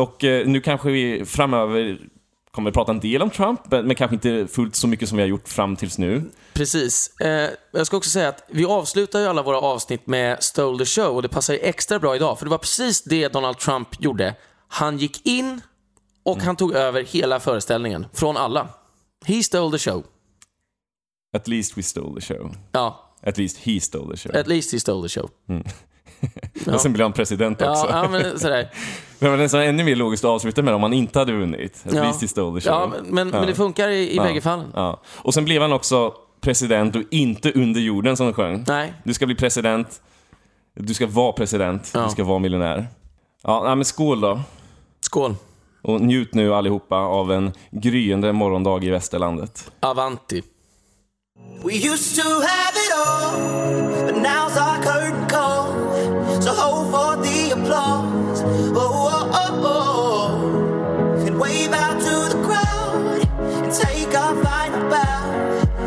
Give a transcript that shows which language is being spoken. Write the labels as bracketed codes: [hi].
[sv] Och nu kanske vi framöver kommer prata en del om Trump, men kanske inte fullt så mycket som vi har gjort fram tills nu. Precis. Jag ska också säga att vi avslutar ju alla våra avsnitt med Stole the Show, och det passar ju extra bra idag, för det var precis det Donald Trump gjorde. Han gick in och han tog över hela föreställningen från alla. [en] He stole the show. At least we stole the show. [sv] Ja. [en] At least he stole the show. At least he stole the show. [sv] Och sen blir han president också. Ja, men sådär. Men det är ännu mer logiskt att avsluta med om han inte hade vunnit. [en] At least he stole the show. [sv] Ja, men det funkar i bägge fall. Ja. Och sen blev han också president och inte under jorden som han sjöng. Nej. Du ska bli president. Du ska vara president. Ja. Du ska vara miljonär. Ja, men skål då. Skål. Och njut nu allihopa av en gryende morgondag i västerlandet. [it] Avanti. [en] We used to have it all, but now's our curtain call. So hold for the applause. Oh, oh, oh, oh. And wave out to the crowd and take our final bow.